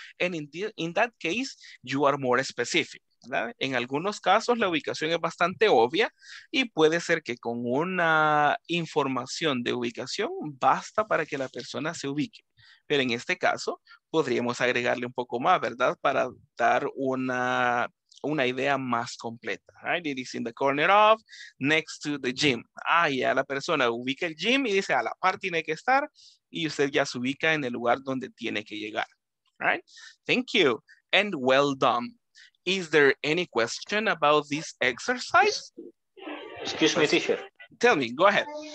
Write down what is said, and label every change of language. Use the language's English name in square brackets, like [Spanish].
[English] And in that case, you are more specific. [Spanish] ¿Verdad? En algunos casos la ubicación es bastante obvia y puede ser que con una información de ubicación basta para que la persona se ubique. Pero en este caso podríamos agregarle un poco más, ¿verdad? Para dar una idea más completa. [English] Right? It is in the corner of, next to the gym. [Spanish] Ah, ya la persona ubica el gym y dice a la par tiene que estar y usted ya se ubica en el lugar donde tiene que llegar. [English] Right? Thank you and well done. Is there any question about this exercise? Excuse me, teacher. Tell me, go ahead.